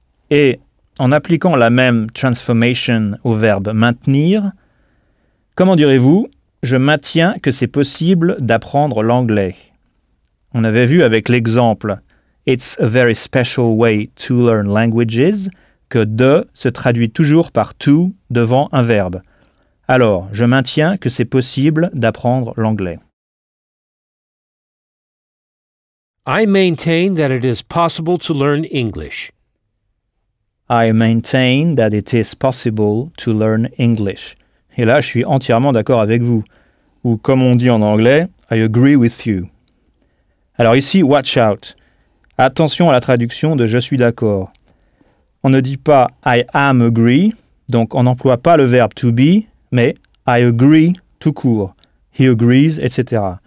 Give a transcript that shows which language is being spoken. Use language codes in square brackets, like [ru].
[fr] Et en appliquant la même transformation au verbe maintenir, comment direz-vous « je maintiens que c'est possible d'apprendre l'anglais » ? On avait vu avec l'exemple « [en] It's a very special way to learn languages [fr] » que « de » se traduit toujours par « to » devant un verbe. Alors, je maintiens que c'est possible d'apprendre l'anglais. [en] I maintain that it is possible to learn English. I maintain that it is possible to learn English. [fr] Et là, je suis entièrement d'accord avec vous. Ou comme on dit en anglais, « [en] I agree with you ». [fr] Alors ici, [en] watch out. [fr] Attention à la traduction de « je suis d'accord ». On ne dit pas « [en] I am agree [fr] », donc on n'emploie pas le verbe « to be », mais « I agree » tout court, « he agrees », etc.